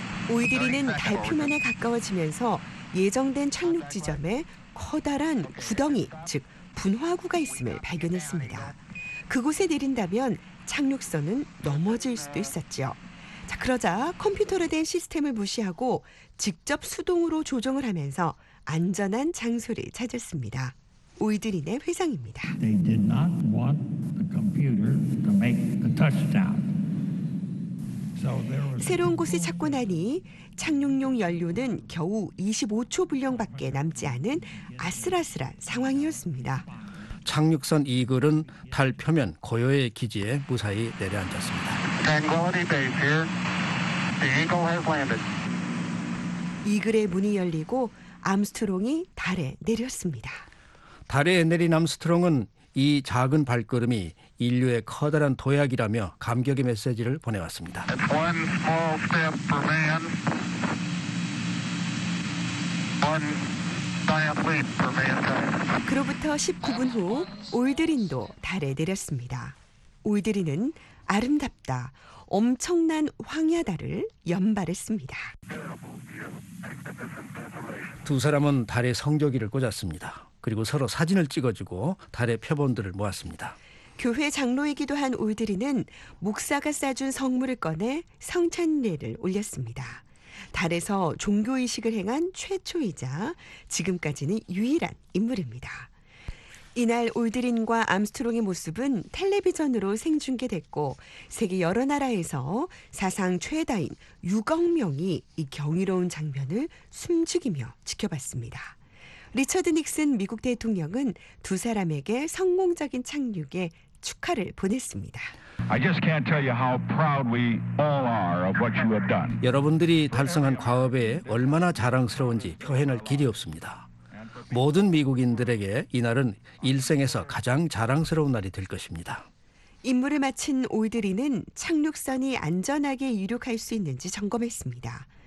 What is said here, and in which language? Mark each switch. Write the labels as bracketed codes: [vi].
[ko] 올드린은 달 표면에 가까워지면서 예정된 착륙 지점에 커다란 구덩이, 즉 분화구가 있음을 발견했습니다. 그곳에 내린다면 착륙선은 넘어질 수도 있었지요. 자, 그러자 컴퓨터로 된 시스템을 무시하고 직접 수동으로 조정을 하면서 안전한 장소를 찾았습니다. 올드린의 회상입니다. [en] They did not want the computer to make the touchdown. So there was [ko] 새로운 곳을 찾고 나니 착륙용 연료는 겨우 25초 분량밖에 남지 않은 아슬아슬한 상황이었습니다. 착륙선 이글은 달 표면 고요의 기지에 무사히 내려앉았습니다. [en] Tranquility Base here. The Eagle has landed. [ko] 이글의 문이 열리고 암스트롱이 달에 내렸습니다. 달에 내린 암스트롱은 이 작은 발걸음이 인류의 커다란 도약이라며 감격의 메시지를 보내왔습니다. [en] It's one small step for man, one giant leap for mankind. [ko] 그로부터 19분 후 올드린도 달에 내렸습니다. 올드린은 아름답다, 엄청난 황야달을 연발했습니다. 두 사람은 달의 성조기를 꽂았습니다. 그리고 서로 사진을 찍어주고 달의 표본들을 모았습니다. 교회 장로이기도 한 올드린은 목사가 싸준 성물을 꺼내 성찬례를 올렸습니다. 달에서 종교의식을 행한 최초이자 지금까지는 유일한 인물입니다. 이날 올드린과 암스트롱의 모습은 텔레비전으로 생중계됐고 세계 여러 나라에서 사상 최다인 6억 명이 이 경이로운 장면을 숨죽이며 지켜봤습니다. 리처드 닉슨 미국 대통령은 두 사람에게 성공적인 착륙에 축하를 보냈습니다. [en] I just can't tell you how proud we all are of what you have done. [ko] 여러분들이 달성한 과업에 얼마나 자랑스러운지 표현할 길이 없습니다. 모든 미국인들에게 이날은 일생에서 가장 자랑스러운 날이 될 것입니다. 임무를 마친 올드린은 착륙선이 안전하게 이륙할 수 있는지 점검했습니다.